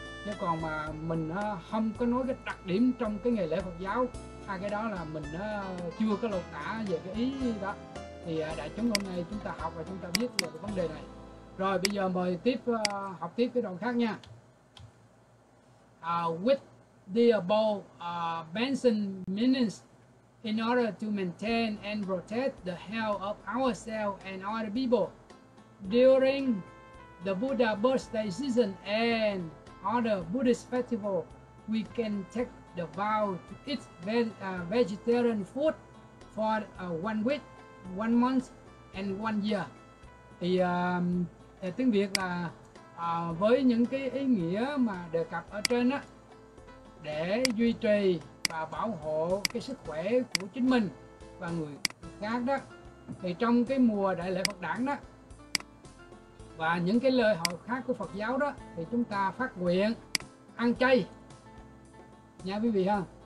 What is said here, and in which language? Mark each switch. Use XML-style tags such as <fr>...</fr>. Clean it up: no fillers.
<vi>Chứ còn mà mình không có nói cái đặc điểm trong cái ngày lễ Phật giáo, hai cái đó là mình chưa có lột tả về cái ý đó. Thì đại chúng hôm nay chúng ta học và chúng ta biết về cái vấn đề này. Rồi bây giờ mời tiếp học tiếp cái đoạn khác nha.</vi> <en>With the above mentioned meanings, in order to maintain and protect the health of ourselves and other people during the Buddha birthday season and other Buddhist festival, we can take the vow to eat vegetarian food for 1 week, 1 month, and 1 year.</en> <vi>Thì tiếng Việt là với những cái ý nghĩa mà đề cập ở trên á, để duy trì và bảo hộ cái sức khỏe của chính mình và người khác đó, thì trong cái mùa đại lễ Phật Đản đó và những cái lời hội khác của Phật giáo đó, thì chúng ta phát nguyện ăn chay nha quý vị ha.</vi>